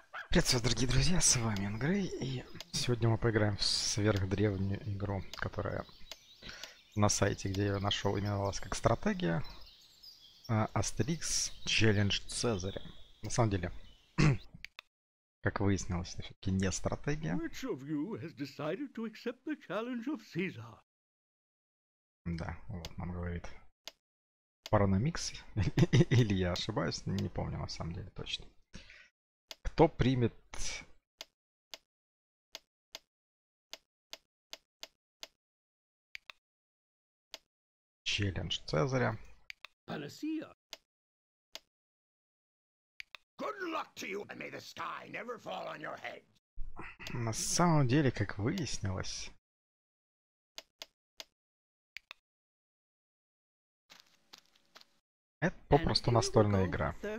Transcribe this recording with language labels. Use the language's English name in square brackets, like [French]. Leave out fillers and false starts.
[Russian] Приветствую, дорогие друзья, с вами Ингрей, и сегодня мы поиграем в сверхдревнюю игру, которая на сайте, где я ее нашел, именовалась как стратегия Asterix Challenge Цезаря. На самом деле, как выяснилось, это все-таки не стратегия. [English] Which of you has decided to accept the challenge of Caesar? [Russian] Да, вот нам говорит Паранамикс, или я ошибаюсь, не помню на самом деле точно. Кто примет челлендж Цезаря? Панасия. [English] Good luck to you, and may the sky never fall on your head. [Russian] На самом деле, как выяснилось, это попросту настольная игра.